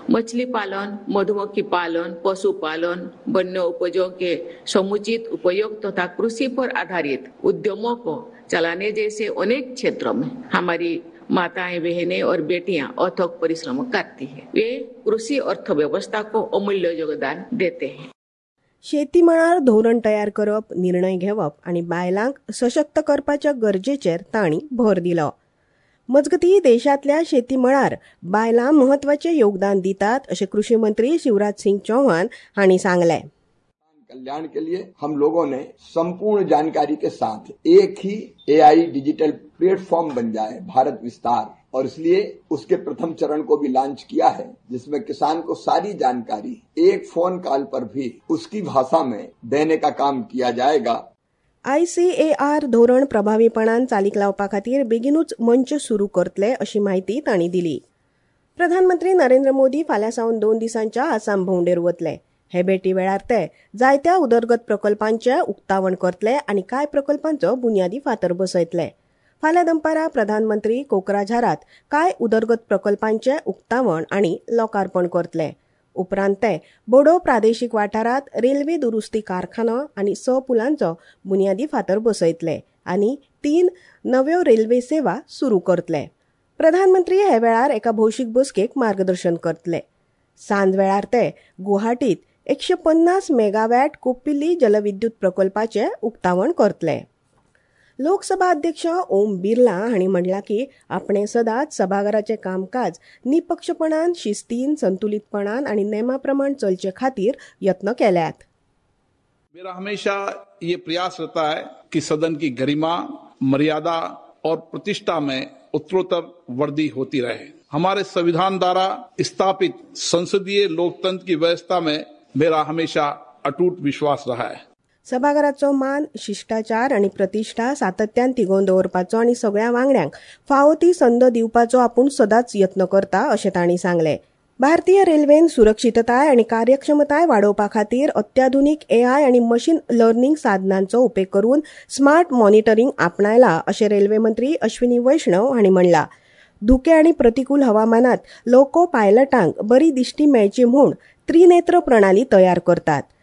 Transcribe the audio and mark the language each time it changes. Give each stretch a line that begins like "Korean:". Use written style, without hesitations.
Hindi: मछली पालन, मधुमक्खी पालन, पशुपालन, वन्य उपजों के समुचित उपयोग तथा कृषि पर आधारित उद्यमों को चलाने जैसे अनेक क्षेत्रों में हमारी माताएं, बहनें और बेटियां अथक परिश्रम करती हैं. वे कृषि अर्थव्यवस्था को अमूल्य योगदान देते हैं.
Konkani: शेती मळार धोरण तयार करप, निर्णय घेवप आनी बायलांक सशक्त करपाच्या गरजेचेर तांणी भर दिलो. मजगती देशातल्या शेती मळार बायलां महत्वाचे योगदान दितात अशे कृषी मंत्री शिवराज सिंग चौहान हांणी सांगले.
Hindi: कल्याण के लिए हम लोगों ने संपूर्ण जानकारी के साथ एक ही AI डिजिटल प्लेटफॉर्म बन जाए भारत विस्तार और इसलिए उसके प्रथम चरण को भी लॉन्च किया है जिसमें किसान को सारी जानकारी एक फोन कॉल पर भी उसकी भाषा में देने का काम किया जाएगा.
Konkani: ICAR धोरण प्रभावीपणान चालीक लावपा खातीर बेगीनूच मंच सुरू करतले अशी माहिती तांणी दिली. प्रधानमंत्री नरेंद्र मोदी फाल्यां सावन 2 दिसांच्या आसाम भोंवडेर वतले. हे भेटी वेळार ते जायत्या उदरगत प्रकल्पांचे उक्तावण करतले आनी कांय प्रकल्पांचो बुन्यादी फातर बसयतले. फाल्यां दनपारा प्रधानमंत्री कोक्राझारात कांय उदरगत प्रकल्पांचे उक्तावण आनी लोकार्पण करतले. उपरांत ते बोडो प्रादेशीक वाठारात रेल्वे दुरुस्ती कारखानो आनी 6 पुलांचो बुन्यादी फातर बसयतले आनी 3 नव्यो रेल्वे सेवा सुरू करतले. प्रधानमंत्री हे वेळार एका भौशीक बसकेक मार्गदर्शन करतले. सांज वेळार ते गुवाहाटीत 150 मेगावॅट कोप्पिल्ली जलविद्युत प्रकल्पाचे उक्तावण करतले. लोकसभा अध्यक्ष ओम बिर्ला हांणी म्हणला की आपणे सदांच सभाघराचे कामकाज निपक्षपणान, शिस्तीन, संतुलितपणान आणि नेमाप्रमाण चलचे खातीर यत्न केल्यात.
Hindi: मेरा हमेशा ये प्रयास रहता है कि सदन की गरिमा, मर्यादा और प्रतिष्ठा में उत्तरोत्तर वृद्धि होती रहे. हमारे संविधान द्वारा स्थापित संसदीय लोकतंत्र की व्यवस्था में मेरा हमेशा अटूट विश्वास रहा है.
Konkani: सभाघराचो मान, शिष्टाचार आणि प्रतिष्ठा सातत्यान तिगोवन दवरपाचो आणि सगळ्या वांगड्यांक फावो ती संद दिवपाचो आपूण सदांच यत्न करता अशें तांणी सांगले. भारतीय रेल्वेन सुरक्षितताय आणि कार्यक्षमताय वाढोवपा खातीर अत्याधुनिक AI आणि मशीन लर्निंग साधनांचो उपेग करून स्मार्ट मॉनिटरिंग आपणायला अशें रेल्वे मंत्री अश्विनी वैष्णव हांणी म्हणला. धुके आणि प्रतिकूल हवामानात लोको पायलटांक बरी दिश्टी मेळची म्हूण त्रिनेत्र प्रणाली तयार करतात.